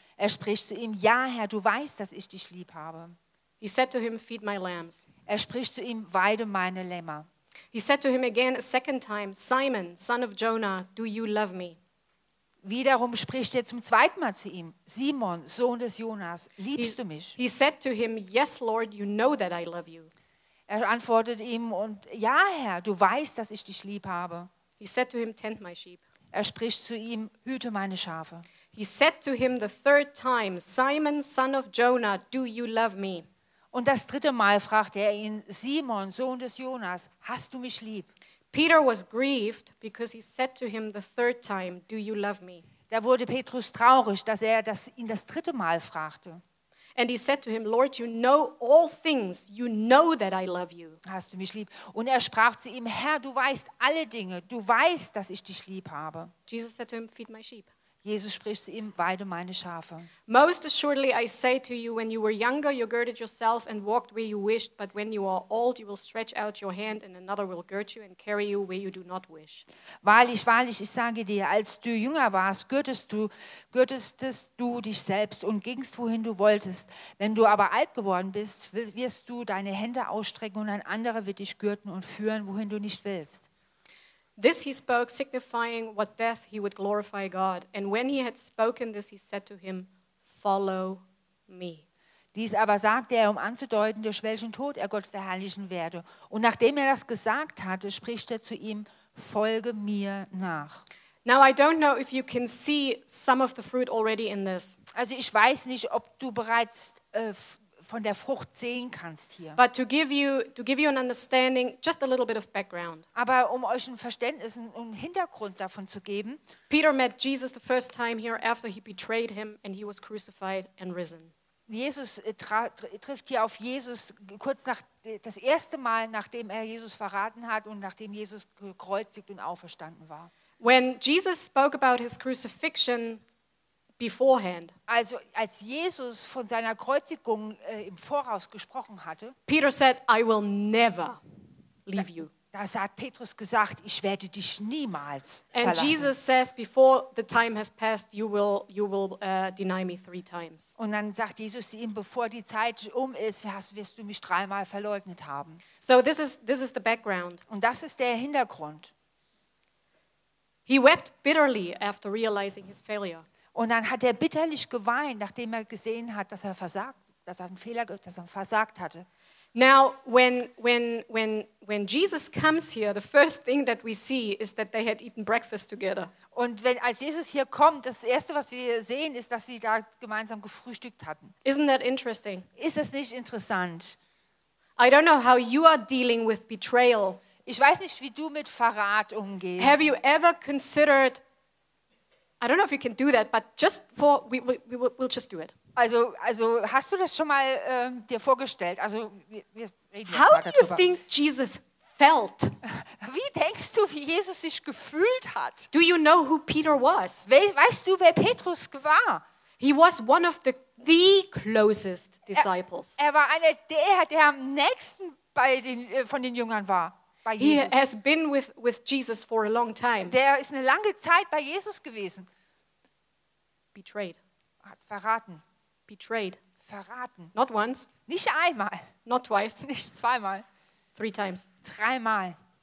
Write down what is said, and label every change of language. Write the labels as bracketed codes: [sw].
[de] Er spricht zu ihm, "Ja, Herr, du weißt, dass ich dich lieb habe." [en] He said to him, "Feed my lambs." [de] Er spricht zu ihm, "Weide meine Lämmer." [en] He said to him again a second time, "Simon, son of Jonah, do you love me?" [de] Wiederum spricht er zum zweiten Mal zu ihm, "Simon, Sohn des Jonas, liebst du mich?" [en] He said to him, "Yes, Lord, you know that I love you." [de] Er antwortet ihm und, "Ja, Herr, du weißt, dass ich dich lieb habe." [en] He said to him, "Tend my sheep." [de] Er spricht zu ihm, "Hüte meine Schafe." [en] He said to him the third time, "Simon, son of Jonah, do you love me?" [de] Und das dritte Mal fragte er ihn, "Simon, Sohn des Jonas, hast du mich lieb?" [en] Peter was grieved because he said to him the third time, "Do you love me?" [de] Da wurde Petrus traurig, dass er das ihn das dritte Mal fragte. [en] And he said to him, "Lord, you know all things. You know that I love you." [de] Hast du mich lieb? Und er sprach zu ihm, "Herr, du weißt alle Dinge. Du weißt, dass ich dich lieb habe." [en] Jesus said to him, "Feed my sheep." [de] Jesus spricht zu ihm, "Weide meine Schafe." [en] "Most assuredly I say to you, when you were younger, you girded yourself and walked where you wished, but when you are old, you will stretch out your hand and another will gird you and carry you where you do not wish." [de] Wahrlich, wahrlich, ich sage dir, als du jünger warst, gürtestest du dich selbst und gingst, wohin du wolltest. Wenn du aber alt geworden bist, wirst du deine Hände ausstrecken und ein anderer wird dich gürten und führen, wohin du nicht willst. [en] This he spoke, signifying what death he would glorify God. And when he had spoken this, he said to him, "Follow me." [de] Dies aber sagte er, um anzudeuten, durch welchen Tod er Gott verherrlichen werde. Und nachdem er das gesagt hatte, spricht er zu ihm, "Folge mir nach." [en] Now I don't know if you can see some of the fruit already in this. [de] Also ich weiß nicht, ob du bereits von der Frucht sehen kannst hier. [en] But to give you an understanding, just a little bit of background. [de] Aber um euch ein Verständnis und einen Hintergrund davon zu geben. [en] Peter met Jesus the first time here after he betrayed him and he was crucified and risen. [de] Jesus trifft hier auf Jesus kurz nach das erste Mal, nachdem er Jesus verraten hat und nachdem Jesus gekreuzigt und auferstanden war. [en] When Jesus spoke about his crucifixion beforehand. [de] Also als Jesus von seiner Kreuzigung im Voraus gesprochen hatte, [en] Peter said, "I will never leave you." [de] Da hat Petrus gesagt, ich werde dich niemals verlassen. [en] And Jesus says, "Before the time has passed, you will deny me three times." [de] Und dann sagt Jesus zu ihm, bevor die Zeit um ist, wirst du mich dreimal verleugnet haben. [en] So this is the background. [de] Und das ist der Hintergrund. [en] He wept bitterly after realizing his failure. [de] Und dann hat er bitterlich geweint, nachdem er gesehen hat, dass er einen Fehler versagt hatte. [en] Now when Jesus comes here, the first thing that we see is that they had eaten breakfast together. [de] Und als Jesus hier kommt, das erste, was wir sehen, ist, dass sie da gemeinsam gefrühstückt hatten. [en] Isn't that interesting? [de] Ist das nicht interessant? [en] I don't know how you are dealing with betrayal. [de] Ich weiß nicht, wie du mit Verrat umgehst. [en] Have you ever considered, I don't know if you can do that, but just for we'll just do it. [de] Also hast du das schon mal dir vorgestellt? Also wir reden jetzt [en] How [de] mal darüber. [en] Do you think Jesus felt? [de] Wie denkst du, wie Jesus sich gefühlt hat? [en] Do you know who Peter was? [de] Weißt du, wer Petrus war? [en] He was one of the closest disciples. [de] Er war einer der am nächsten von den Jüngern war. [en] He has been with Jesus for a long time. [de] Der ist eine lange Zeit bei Jesus gewesen. [en] Betrayed. [de] Hat verraten. [en] Betrayed. [de] verraten. [en] Not once. [de] Nicht einmal. [en] Not twice. [de] Nicht zweimal. [en] Three times. [de] Dreimal.